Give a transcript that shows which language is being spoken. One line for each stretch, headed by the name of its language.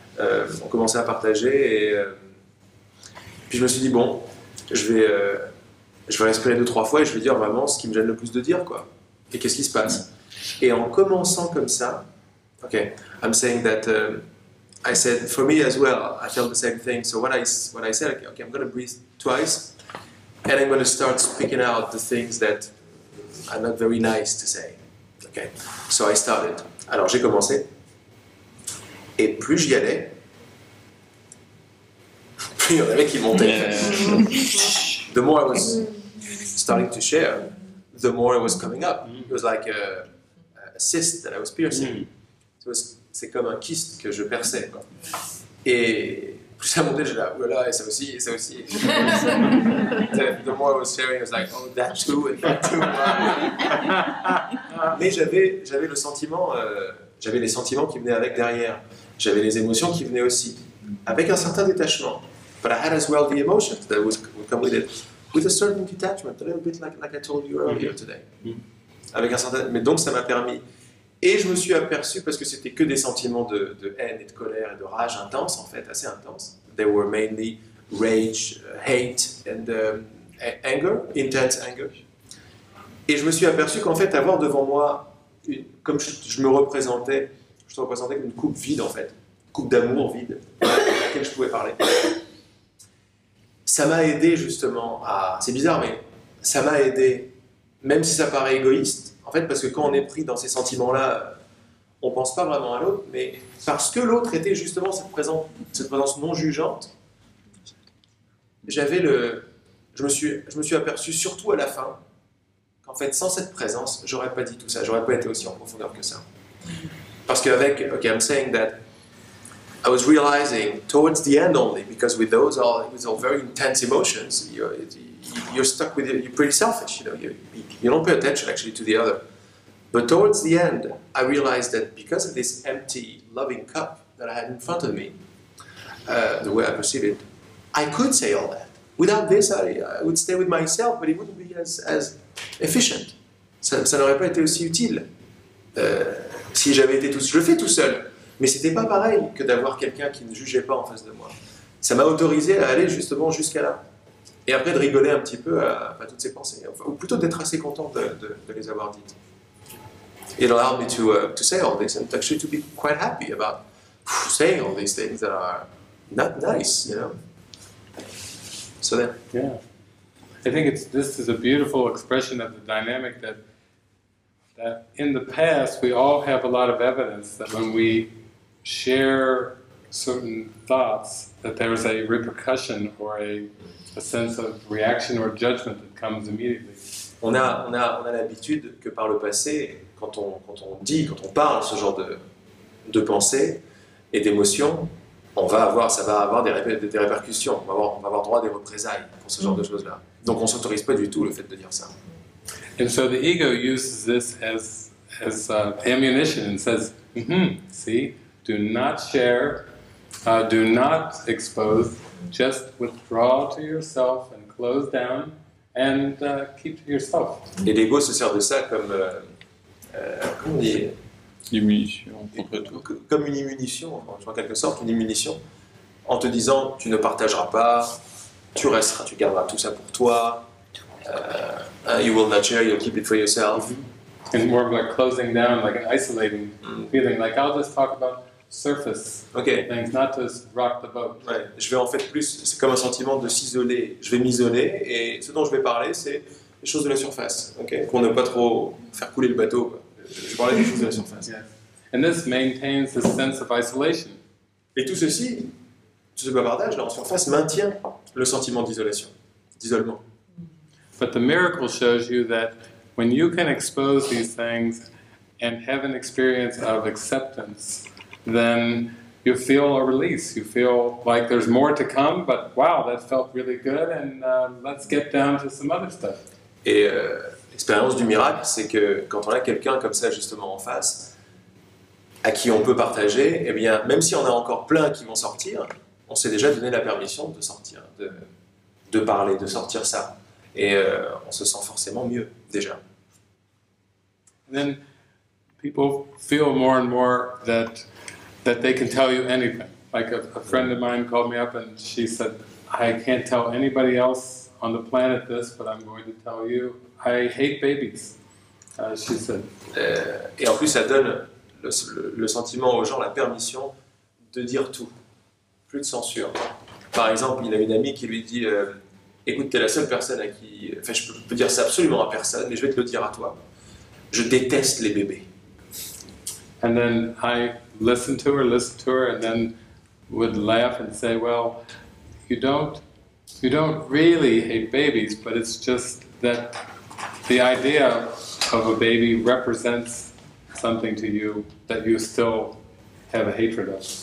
French: On commençait à partager et puis je me suis dit, bon, je vais respirer deux, trois fois et je vais dire vraiment ce qui me gêne le plus de dire, quoi. Et qu'est-ce qui se passe? Et en commençant comme ça,
English: ok, I'm saying that I said, for me as well, I felt the same thing. So what I said, okay, okay, I'm going to breathe twice and I'm going to start speaking out the things that are not very nice to say. Okay, so I started.
French: Alors j'ai commencé. Et plus j'y allais, plus il y en avait qui montaient.
English: The more I was starting to share, the more it was coming up. It was like a cyst that I was piercing.
French: So c'est comme un kyste que je perçais. Quoi. Et plus ça montait, j'étais là, voilà, et ça aussi, et ça aussi.
English: The more I was sharing, it was like, oh, that too, and that too.
French: Mais j'avais le sentiment, j'avais les sentiments qui venaient avec derrière. J'avais les émotions qui venaient aussi, avec un certain détachement.
English: But I had as well the emotions that would come with it, with a certain detachment, a little bit like I told you earlier today.
French: Avec un certain, mais donc ça m'a permis. Et je me suis aperçu, parce que c'était que des sentiments de haine et de colère et de rage intense, en fait, assez intense.
English: They were mainly rage, hate and anger, intense anger.
French: Et je me suis aperçu qu'en fait, avoir devant moi, comme je me représentais, je te représentais comme une coupe vide en fait, coupe d'amour vide, à laquelle je pouvais parler. Ça m'a aidé justement à... C'est bizarre, mais ça m'a aidé, même si ça paraît égoïste, en fait, parce que quand on est pris dans ces sentiments-là, on ne pense pas vraiment à l'autre, mais parce que l'autre était justement cette présence non jugeante, je me suis aperçu, surtout à la fin, qu'en fait, sans cette présence, je n'aurais pas dit tout ça, je n'aurais pas été aussi en profondeur que ça. Parce qu'avec,
English: ok, I'm saying that I was realizing towards the end only, because with those all, with all very intense emotions, you're stuck with it, you're pretty selfish, you know, you don't pay attention actually to the other. But towards the end, I realized that because of this empty, loving cup that I had in front of me, the way I perceived it, I could say all that. Without this, I would stay with myself, but it wouldn't be as efficient.
French: Ça n'aurait pas été aussi utile. Si j'avais été tout seul, je le fais tout seul, mais c'était pas pareil que d'avoir quelqu'un qui ne jugeait pas en face de moi. Ça m'a autorisé à aller justement jusqu'à là, et après de rigoler un petit peu à toutes ces pensées, enfin, ou plutôt d'être assez content de les avoir dites.
English: It allowed me to say all this, and actually to be quite happy about saying all these things that are not nice, you know. So then. Yeah, I think this is a beautiful expression of the dynamic that in the past, we all have a lot of evidence that when we share certain thoughts, that there's a repercussion or a sense of reaction or judgment that comes immediately.
French: On a l'habitude que par le passé, quand on dit, quand on parle ce genre de pensée et d'émotion, ça va avoir des répercussions, on va avoir droit à des représailles pour ce genre de choses-là. Donc on s'autorise pas du tout le fait de dire ça.
English: And so the ego uses this as ammunition and says, see, do not share, do not expose, just withdraw to yourself and close down and keep to yourself.
French: Et l'ego se sert de ça comme une immunition, en quelque sorte, une immunition, en te disant, tu ne partageras pas, tu resteras, tu garderas tout ça pour toi.
English: You will not share, you'll keep it for yourself. It's more of like closing down, like an isolating feeling. Like, I'll just talk about surface things, not to rock the boat.
French: Ouais. Je vais en fait plus, c'est comme un sentiment de s'isoler. Je vais m'isoler et ce dont je vais parler, c'est les choses de la surface. Okay. Pour ne pas trop faire couler le bateau, je parlais des choses de la surface.
English: Yeah. And this maintains the sense of isolation.
French: Et tout ceci, tout ce bavardage là, en surface, maintient le sentiment d'isolation, d'isolement.
English: But the miracle shows you that when you can expose these things and have an experience of acceptance, then you feel a release. You feel like there's more to come, but wow, that felt really good, and let's get down to some other stuff.
French: L'expérience du miracle, c'est que quand on a quelqu'un comme ça justement en face, à qui on peut partager, eh bien, même si on a encore plein qui vont sortir, on s'est déjà donné la permission de sortir, de parler, de sortir ça. On se sent forcément mieux, déjà.
English: Then people feel more and more that they can tell you anything. Like a friend of mine called me up and she said, I can't tell anybody else on the planet this, but I'm going to tell you, I hate babies. She said.
French: Et en plus, ça donne le sentiment aux gens, la permission de dire tout. Plus de censure. Par exemple, il a une amie qui lui dit, écoute, t'es la seule personne à qui... Enfin, je peux dire ça absolument à personne, mais je vais te le dire à toi. Je déteste les bébés.
English: And then I listened to her, and then would laugh and say, well, you don't really hate babies, but it's just that the idea of a baby represents something to you that you still have a hatred of.